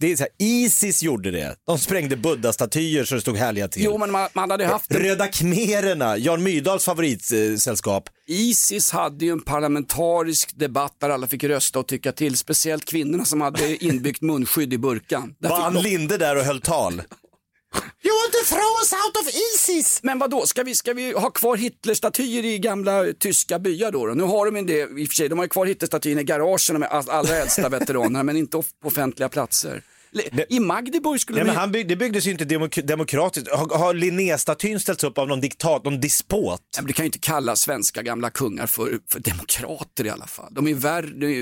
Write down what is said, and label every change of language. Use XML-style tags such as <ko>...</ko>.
<sv>Det är så här, ISIS gjorde det. De sprängde buddha-statyer som det stod härliga till. Jo, men man hade haft Röda Khmererna, Jan Myrdals favoritsällskap. ISIS hade ju en parlamentarisk debatt där alla fick rösta och tycka till. Speciellt kvinnorna som hade inbyggt munskydd i burkan. Van Linde där och höll tal.</sv> <en>You want to throw us out of ISIS.</en> <sv>Men vad då? Ska vi ha kvar Hitlerstatyer i gamla tyska byar då? Nu har de ju det i och för sig. De har ju kvar Hitlerstatyer i garagen med allra äldsta veteraner, men inte på offentliga platser. I Magdeburg skulle Men det byggdes ju inte demokratiskt. Har Linné-statyn ställts upp av någon diktat, någon despot? Men det kan ju inte kalla svenska gamla kungar för demokrater i alla fall. De är värre.</sv>